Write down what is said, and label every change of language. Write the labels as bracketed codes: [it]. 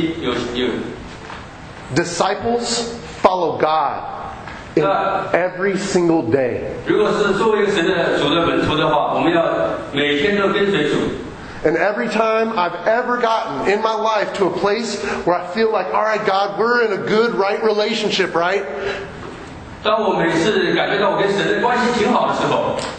[zh] 到很多的时候，到有很多人来教会，他就是来做礼拜，他把它称为一个有信心、有。 [en] Disciples follow God in every single day. [zh] 如果是作为神的主的门徒的话，我们要每天都跟随主。 [en] And every time I've ever gotten in my life to a place where I feel like, all right, God, we're in a good, right relationship, right? [zh] 当我每次感觉到我跟神的关系挺好的时候。